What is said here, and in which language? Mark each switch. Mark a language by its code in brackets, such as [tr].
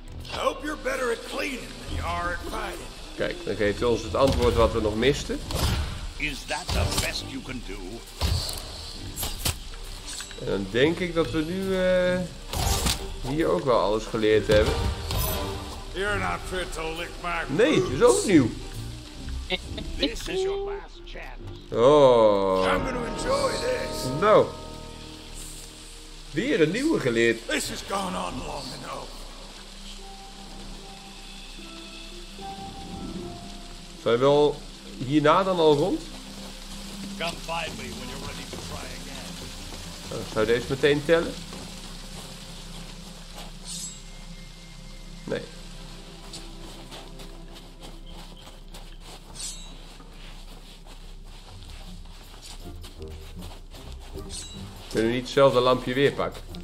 [en] Hope you're better at cleaning than you are at fighting. [nl] Kijk, dan geeft hij ons het antwoord wat we nog misten. [en] Is that the best you can do? [nl] En dan denk ik dat we nu hier ook wel alles geleerd hebben. [en] You're not fit to lick my boots. [nl] Nee, het is ook nieuw. [en] This is your last chance. Oh. I'm gonna enjoy this. [nl] Nou. Weer een nieuwe geleerd. [en] This has gone on long enough. [nl] Zijn we wel hierna dan al rond? [en] Come find me when you're ready to try again. [nl] Nou, zou deze meteen tellen? Nee. Kunnen we niet hetzelfde lampje weer pakken?